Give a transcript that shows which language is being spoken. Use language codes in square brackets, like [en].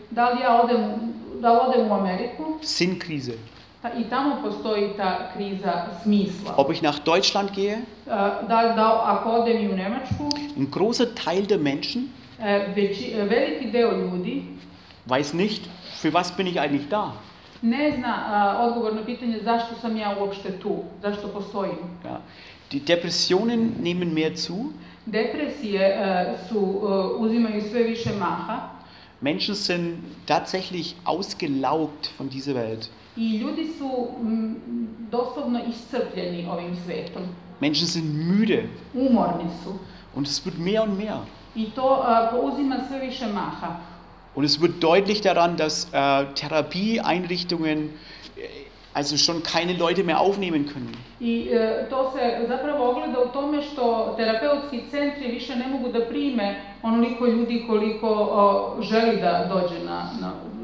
[sr] Da li ja odem u Ameriku. [de] Sinnkrise. [sr] I tamo postoji ta kriza smisla. [de] Ob ich nach Deutschland gehe? [sr] Da ako odem u Nemačku? [de] Ein großer Teil der Menschen? [sr] Veliki deo ljudi? [de] Weiß nicht, für was bin ich eigentlich da? [sr] Ne zna odgovor na pitanje zašto sam ja uopšte tu, zašto postojim. Ja. [de] Die Depressionen nehmen mehr zu. [sr] Depresije uzimaju sve više maha. [de] Menschen sind tatsächlich ausgelaugt von dieser Welt. [sr] I ljudi su doslovno iscrpljeni ovim svetom. [de] Menschen sind müde. [sr] Umorni su. [de] Und es wird mehr und mehr. [sr] I to pouzima sve više maha. [de] Und es wird deutlich daran, dass Therapieeinrichtungen also schon keine Leute mehr aufnehmen können. [sr] I to se zapravo ogleda u tome što terapeutski centri više ne mogu da prime onoliko ljudi koliko želi da dođe na Ja.